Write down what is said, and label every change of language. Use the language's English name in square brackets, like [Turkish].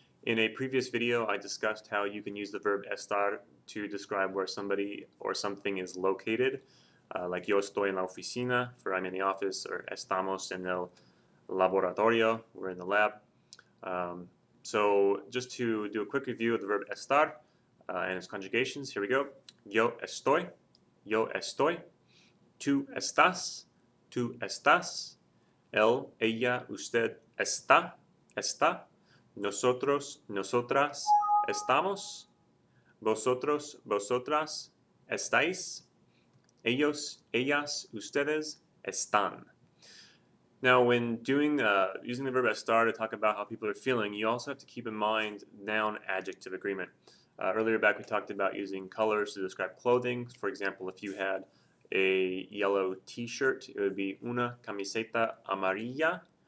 [English] In a previous video, I discussed how you can use the verb estar to describe where somebody or something is located, like [Spanish] yo estoy en la oficina, [English] for I'm in the office, or [Spanish] estamos en el laboratorio, [English] we're in the lab. So just to do a quick review of the verb estar and its conjugations, here we go. [Spanish] Yo estoy, tú estás, él, ella, usted, está, está, nosotros, nosotras, estamos, vosotros, vosotras, estáis, ellos, ellas, ustedes, están. [English] Now, when doing using the verb estar to talk about how people are feeling, you also have to keep in mind noun-adjective agreement. Earlier back, we talked about using colors to describe clothing. For example, if you had a yellow t-shirt, it would be [Spanish] una camiseta amarilla.